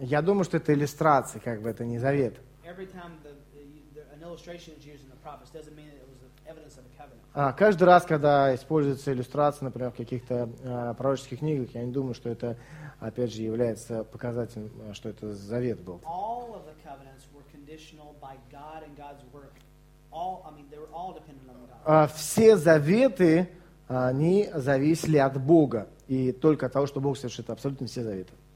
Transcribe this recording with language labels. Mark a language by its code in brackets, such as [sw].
[ru] Я думаю, что это иллюстрация, как бы это не завет. [en] Every time an illustration is used in the prophets, doesn't mean it was evidence of a covenant. [ru] Каждый раз, когда используется иллюстрация, например, в каких-то пророческих книгах, я не думаю, что это, опять же, является показателем, что это завет был. [en] All of the covenants were conditional by God and God's work. They were all dependent on God. [ru] Все заветы, они зависели от Бога. И только от того, что Бог совершит абсолютно все заветы.